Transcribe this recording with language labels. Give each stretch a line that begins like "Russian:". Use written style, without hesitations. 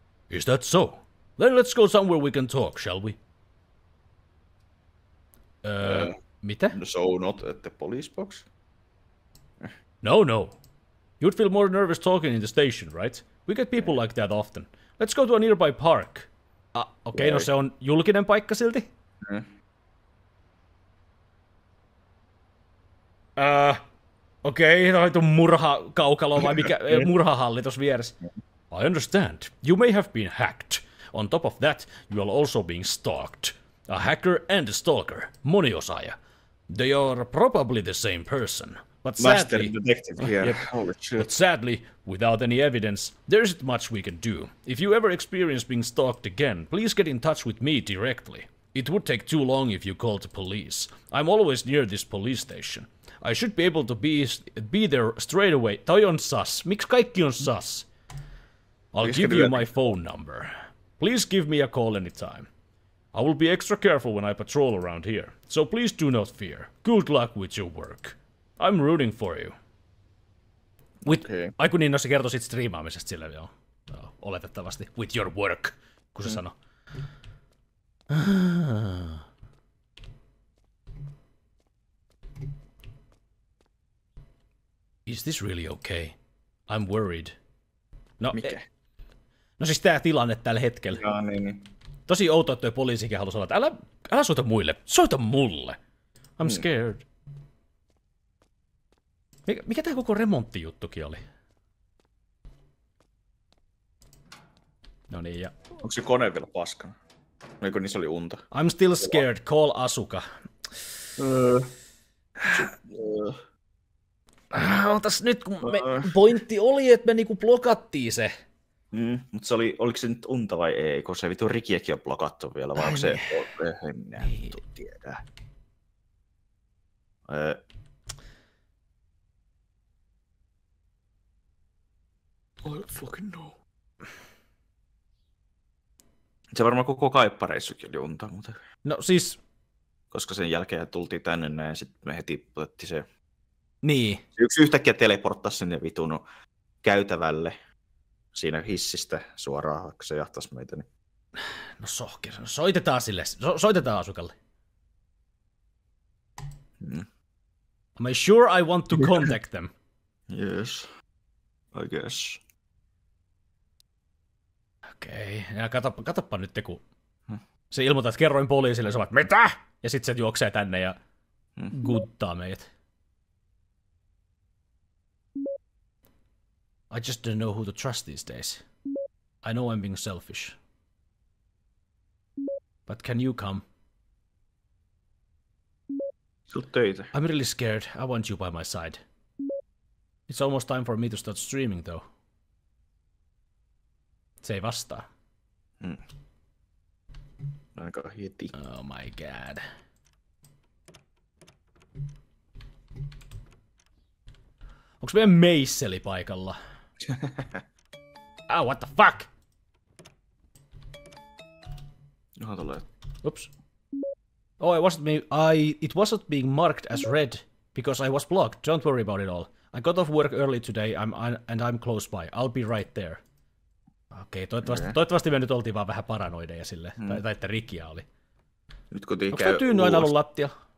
English: Is that so? Then let's go somewhere we can talk, shall we?
Finnish: Mitä?
English: So not at the police box? No, no. You'd feel more nervous talking in the station, right? We get people like that often. Let's go to a nearby park.
Finnish: Okei, okay, no se on julkinen paikka silti. Okei, okay, tämä on murha kaukalo vai mikä murhahallitus vieressä.
English: I understand. You may have been hacked. On top of that, you are also being stalked. A hacker and a stalker, Moniosaya. They are probably the same person. But sadly, Master Detective here. Yep. Holy shit. But sadly, without any evidence, there isn't much we can do. If you ever experience being stalked again, please get in touch with me directly. It would take too long if you called the police. I'm always near this police station. I should be able to be there straight away.
Finnish: Toi on sus. Miksi kaikki on sus?
English: I'll give you my phone number. Please give me a call anytime. I will be extra careful when I patrol around here. So please do not fear. Good luck with your work. I'm rooting for you. With... Okay.
Finnish: Aiku niin, no se kertoo siitä striimaamisesta sille, joo. No, oletettavasti.
English: With your work,
Finnish: kun se sano.
English: Is this really okay? I'm worried.
Finnish: No, mikä? No siis tää tilanne tällä hetkellä. Jaa, niin. Tosi outo, että toi poliisikin halusi olla, että älä soita muille, soita mulle!
English: I'm scared.
Finnish: Mikä tää koko remonttijuttukin oli? Noniin, ja... Onko se kone vielä paskana? Eikö niissä oli unta?
English: I'm still scared, call Asuka.
Finnish: Otas nyt, kun me pointti oli, että me niinku blokattiin se. Mutta oliko se nyt unta vai ei, kun se vitu Rikiäkin on blokattu vielä, vai onko se... En minä tiedä.
English: I don't fucking know.
Finnish: Se varmaan koko kaippareissukin oli unta, mutta... No siis... Koska sen jälkeen tultiin tänne näin, ja sitten me heti putettiin se... Niin. Yksi yhtäkkiä teleporttasi sinne vitun käytävälle. Siinä hissistä suoraan, vaikka se jahtaisi meitä, niin... No sohki, no soitetaan sille, soitetaan Asukalle.
English: Am I sure I want to contact them? Yes, I guess.
Finnish: Okei, okay. Ja katoppa nyt, kun se ilmoittaa, että kerroin poliisille, ja sä mitä? Ja sit se juoksee tänne ja guttaa meidät.
English: I just don't know who to trust these days. I know I'm being selfish. But can you come? I'm really scared. I want you by my side. It's almost time for me to start streaming, though.
Finnish: Se ei vastaa. Aika heti.
English: Oh my god.
Finnish: Onks meidän meisseli paikalla?
English: Oh, what the fuck?
Finnish: Johan tulee.
English: Oops. Oh, it wasn't being marked as red because I was blocked. Don't worry about it all. I got off work early today. I'm close by. I'll be right there.
Finnish: Okei, okay, toivottavasti me nyt oltiin vaan vähän paranoideja sille. Tai että rikia oli. Nyt kotiin käy. Onko tyynyn aina ollut lattia?